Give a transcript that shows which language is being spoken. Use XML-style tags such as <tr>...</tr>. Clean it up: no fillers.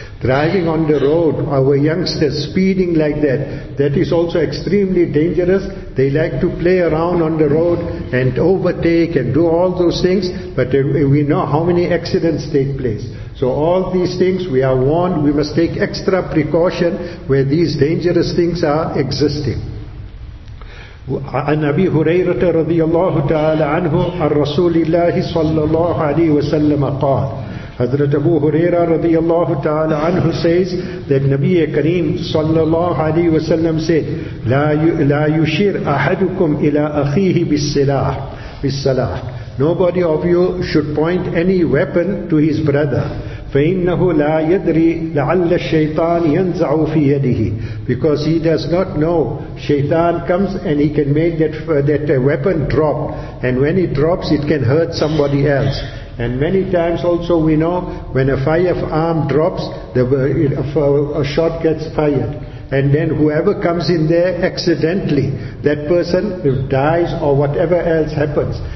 <en>Driving on the road, our youngsters speeding like that, that is also extremely dangerous. They like to play around on the road and overtake and do all those things, but we know how many accidents take place. So all these things, we are warned, we must take extra precaution where these dangerous things are existing.</en> <ar>عن أبي هريرة رضي الله تعالى عنه عن رسول الله صلى الله عليه وسلم قال حضرت أبو هريرة رضي الله تعالى عنه</ar> <en>says that</en> <ar>نبي كريم صلى الله عليه وسلم</ar> <en>said</en> <ar>لا يشير أحدكم إلى أخيه بالسلاح.</ar> <en>Nobody of you should point any weapon to his brother.</en> <ar>فإنه لا يدري لعل الشيطان ينزع في يده.</ar> <en>Because he does not know, shaitan comes and he can make that weapon drop. And when it drops, it can hurt somebody else. And many times also we know, when a firearm drops, a shot gets fired. And then whoever comes in there accidentally, that person dies or whatever else happens.</en>